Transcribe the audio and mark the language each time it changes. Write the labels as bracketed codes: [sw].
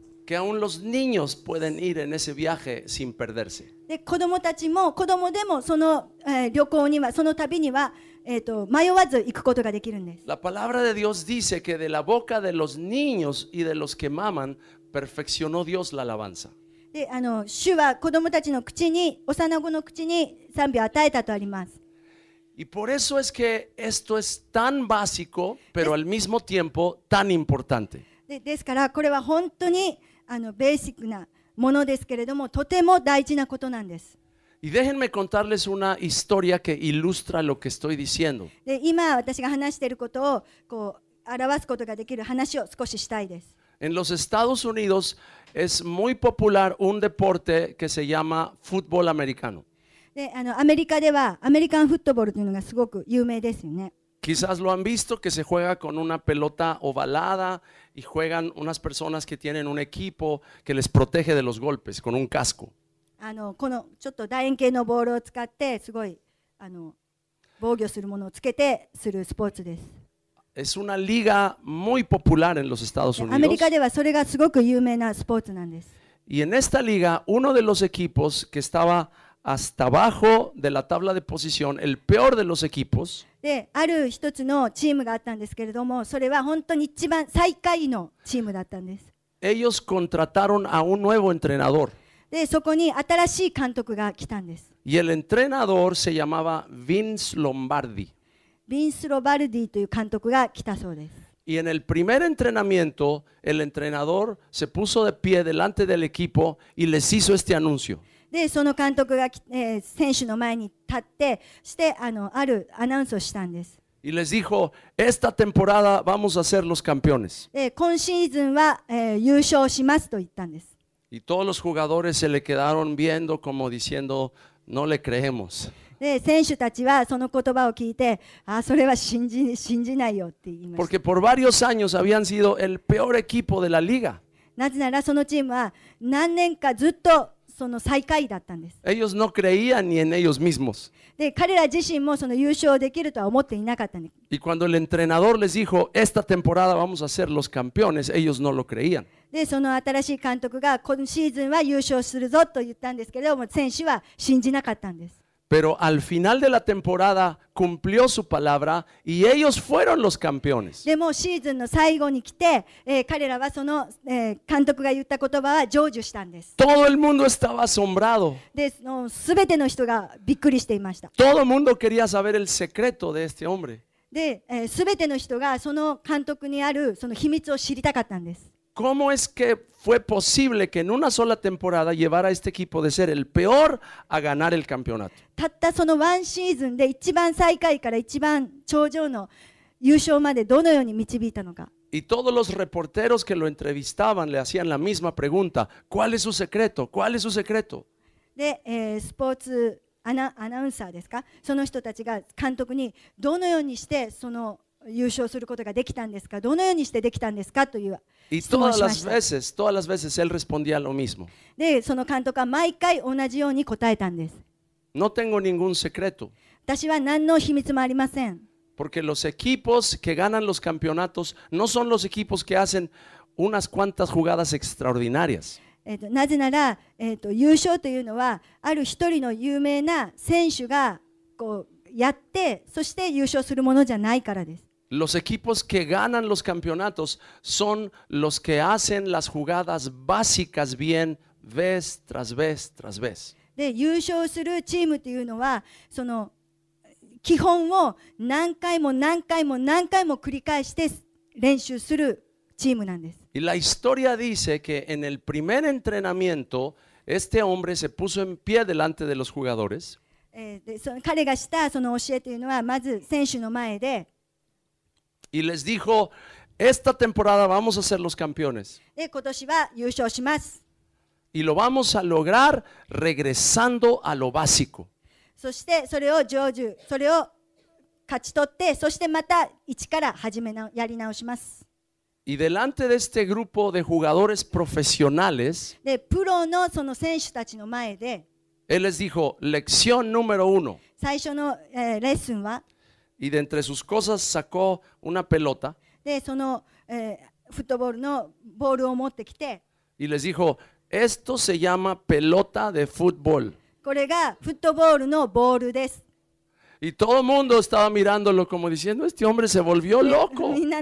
[es] Que aún los niños pueden ir en ese viaje sin perderse. [ja] で子供たちも子供でもその、旅行にはその旅には。迷わず行くことができるんです。 [es] La palabra de Dios dice que de la boca de los niños y de los que maman perfeccionó Dios la alabanza. [ja] で、主は子供たちの口に、幼子の口に賛美を与えたとあります。 [es] Y por eso es que esto es tan básico, pero al mismo tiempo tan importante. [ja] ですからこれは本当にベーシックなものですけれども、とても大事なことなんです。 [es] Y déjenme contarles una historia que ilustra lo que estoy diciendo. [ja] で、今私が話していることをこう表すことができる話を少ししたいです。 [es] En los Estados Unidos es muy popular un deporte que se llama fútbol americano. [ja] で、アメリカではアメリカンフットボールというのがすごく有名ですよね。 [es] Quizás lo han visto que se juega con una pelota ovalada y juegan unas personas que tienen un equipo que les protege de los golpes con un casco. [ja] このちょっと楕円形のボールを使ってすごい防御するものをつけてするスポーツです。 [es] Es una liga muy popular en los Estados Unidos. [ja] アメリカではそれがすごく有名なスポーツなんです。 [es] Y en esta liga, uno de los equipos que estaba hasta abajo de la tabla de posición, el peor de los equipos. [ja] で、ある一つのチームがあったんですけれども、それは本当に一番最下位のチームだったんです。 [es] Ellos contrataron a un nuevo entrenador. [ja] でそこに新しい監督が来たんです。 [es] Y el entrenador se llamaba Vince Lombardi. [ja] Vince Lombardi という監督が来たそうです。 [es] Y en el primer entrenamiento, el entrenador se puso de pie delante del equipo y les hizo este anuncio. [ja] でその監督が、選手の前に立ってしてあるアナウンスをしたんです。 [es] Y les dijo, esta temporada vamos a ser los campeones. [ja] で今シーズンは、優勝しますと言ったんです。 [es] Y todos los jugadores se le quedaron viendo como diciendo, no le creemos. [ja] で、選手たちはその言葉を聞いて、それは信じないよって言いました。 [es] Porque por varios años habían sido el peor equipo de la liga. [ja] なぜならそのチームは何年かずっとその最下位だったんです。 [es] Ellos no creían ni en ellos mismos. [ja] で、彼ら自身もその優勝できるとは思っていなかったんです。 [es] Y cuando el entrenador les dijo, esta temporada vamos a ser los campeones, ellos no lo creían. [ja] でその新しい監督が今シーズンは優勝するぞと言ったんですけれども選手は信じなかったんです。 [es] Pero al final de la temporada cumplió su palabra y ellos fueron los campeones. [ja] でもシーズンの最後に来て、彼らはその、監督が言った言葉は成就したんです。 [es] Todo el mundo estaba asombrado. [ja] でその全ての人がびっくりしていました。 [es] Todo el mundo quería saber el secreto de este hombre. [ja] で、全ての人がその監督にあるその秘密を知りたかったんです。 [es] ¿Cómo es que fue posible que en una sola temporada llevara a este equipo de ser el peor a ganar el campeonato? [ja] たったそのワンシーズンで一番最下位から一番頂上の優勝までどのように導いたのか。 [es] Y todos los reporteros que lo entrevistaban le hacían la misma pregunta. ¿Cuál es su secreto? ¿Cuál es su secreto? [ja] で、スポーツアナウンサーですか?その人たちが監督にどのようにしてその優勝することができたんですか?どのようにしてできたんですか? という。 [es] Y todas las veces él respondía lo mismo. [ja] で、その監督は毎回同じように答えたんです。 [es] No tengo ningún secreto. [ja] 私は何の秘密もありません。 [es] Porque los equipos que ganan los campeonatos no son los equipos que hacen unas cuantas jugadas extraordinarias. [ja] なぜなら、優勝というのはある一人の有名な選手がこうやって、そして優勝するものじゃないからです。 [es] Los equipos que ganan los campeonatos son los que hacen las jugadas básicas bien vez tras vez tras vez. [ja] で、優勝するチームというのはその基本を何回も何回も何回も繰り返して練習するチームなんです。 [es] Y la historia dice que en el primer entrenamiento este hombre se puso en pie delante de los jugadores. [ja] で、その彼がしたその教えというのはまず選手の前で。 [es] Y les dijo, esta temporada vamos a ser los campeones. [ja] で、今年は優勝します。 [es] Y lo vamos a lograr regresando a lo básico. [ja] そしてそれを成就、それを勝ち取って、そしてまた一から始めな、やり直します。 [es] Y delante de este grupo de jugadores profesionales, [ja] de プロ のその選手たちの前で、 [es] él les dijo, lección número uno. [ja] 最初の、レッスンは、 [es] y de entre sus cosas sacó una pelota. [ja] で、その、フットボールのボールを持ってきて、 [es] y les dijo, esto se llama pelota de fútbol. [ja] これがフットボールのボールです。 [es] Y todo el mundo estaba mirándolo como diciendo, este hombre se volvió loco.